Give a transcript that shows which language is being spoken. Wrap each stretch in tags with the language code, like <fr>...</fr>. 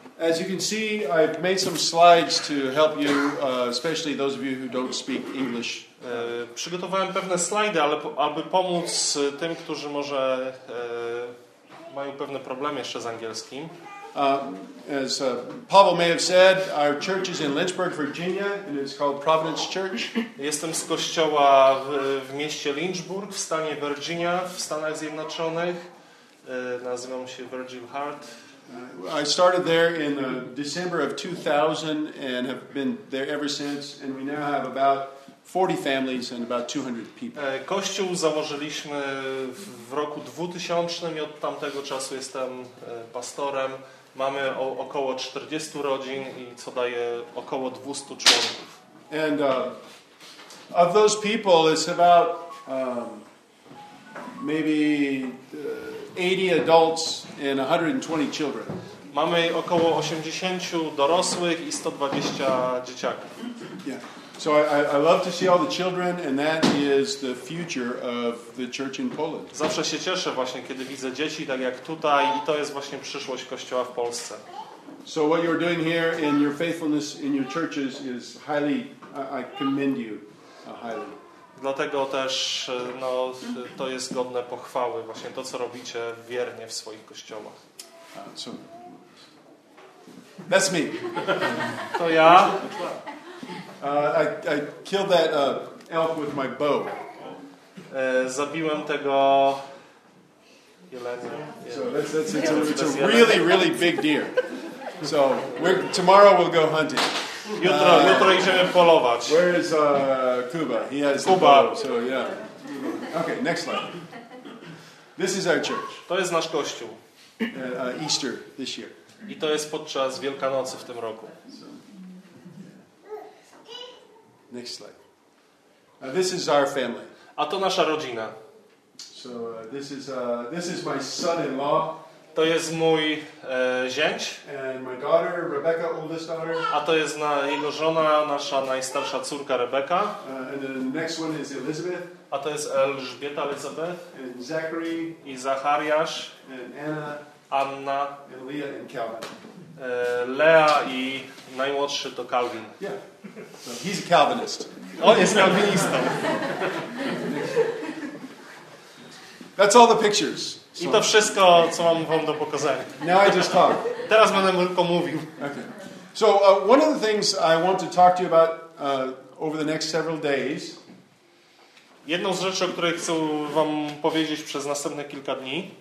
<en>As you can see, I've made some slides to help you, especially those of you who don't speak English.</en> <pl>Przygotowałem pewne slajdy, ale aby pomóc tym, którzy może mają pewne problemy jeszcze z angielskim.</pl> <en>As Pavel may have said, our church is in Lynchburg, Virginia, and it's called Providence Church.</en> <pl>Jestem z kościoła w mieście Lynchburg w stanie Virginia w Stanach Zjednoczonych. Nazywam się Virgil Hart.</pl> <en>I started there in December of 2000 and have been there ever since, and we now have about 40 families and about 200 people.</en> <pl>Kościół założyliśmy w roku 2000 i od tamtego czasu jestem pastorem. Mamy około 40 rodzin i co daje około 200 członków.</pl> <en>And of those people it's about maybe 80 adults and 120 children.</en> <pl>Mamy około 80 dorosłych i 120 dzieciaków.</pl> <en>Yeah. So I love to see all the children, and that is the future of the church in Poland.</en> <pl>Zawsze się cieszę właśnie, kiedy widzę dzieci, tak jak tutaj, i to jest właśnie przyszłość kościoła w Polsce.</pl> <en>So what you're doing here in your faithfulness in your churches is highly, I commend you highly.</en> <pl>Dlatego też no, to jest godne pochwały, właśnie to, co robicie wiernie w swoich kościołach.</pl> <en>So, that's me.</en> <pl>To ja.</pl> <en>I killed that elk with my bow.</en> <pl>Zabiłem tego jelenia.</pl> <en>So it's a really, really big deer. So tomorrow we'll go hunting.</en> <pl>Jutro idziemy polować.</pl> <en>Where is Kuba? He has Kuba. The bow, so yeah. Okay, next slide. This is our church.</en> <pl>To jest nasz kościół.</pl> <en>Easter this year.</en> <pl>I to jest podczas Wielkanocy w tym roku.</pl> <en>Next slide. This is our family.</en> <pl>A to nasza rodzina.</pl> <en>So this is my son-in-law.</en> <pl>To jest mój zięć.</pl> <en>And my daughter, Rebecca, oldest daughter.</en> <pl>A to jest jego żona, nasza najstarsza córka Rebecca.</pl> <en>And the next one is Elizabeth.</en> <pl>A to jest Elżbieta, Elizabeth.</pl> <en>And Zachary.</en> <pl>I Zachariasz.</pl> <en>And Anna. And Leah and Calvin.</en> <pl>Lea i najmłodszy to Calvin.</pl> <en>Yeah. So he's a Calvinist.</en> <pl>On jest Calvinistą.</pl> <en>That's all the pictures. So.</en> <pl>I to wszystko, co mam wam do pokazania.</pl> <en>Now I just talk.</en> <pl>Teraz będę tylko mówił.</pl> <en>Okay. So one of the things I want to talk to you about over the next several days.</en> <pl>Jedną z rzeczy, o której chcę wam powiedzieć przez następne kilka dni,</pl>